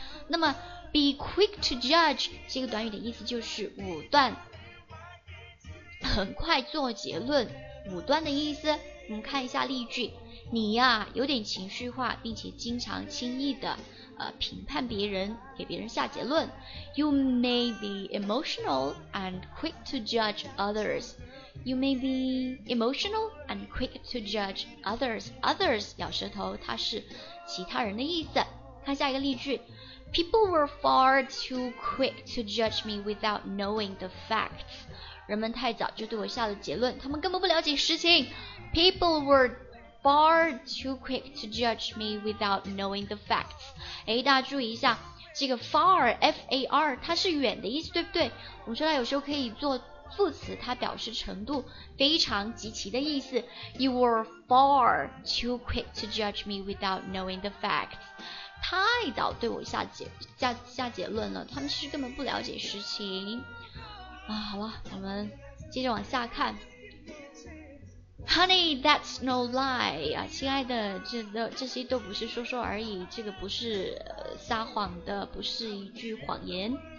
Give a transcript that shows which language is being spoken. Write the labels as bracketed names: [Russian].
[Chinese] 那么 be quick to judge 这个短语的意思就是武断，很快做结论，武断的意思。我们看一下例句，你呀有点情绪化，并且经常轻易的评判别人，给别人下结论。 [English] You may be emotional and quick to judge others. You may be emotional and quick to judge others. [Chinese] Others 咬舌头，它是其他人的意思。看下一个例句， [English] People were far too quick to judge me without knowing the facts. [Chinese] 人们太早就对我下了结论，他们根本不了解实情。 [English] People wereFar too quick to judge me without knowing the facts. [Chinese] 哎，大家注意一下，这个 far, F-A-R, 它是远的意思，对不对？我们说它有时候可以做副词，它表示程度，非常极其的意思。 [English] You were far too quick to judge me without knowing the facts. [Chinese] 太早对我下结论了，他们是根本不了解实情。啊，好了，我们接着往下看。 [English] Honey, that's no lie. [Chinese] 啊，亲爱的，这些都不是说说而已，这个不是撒谎的，不是一句谎言。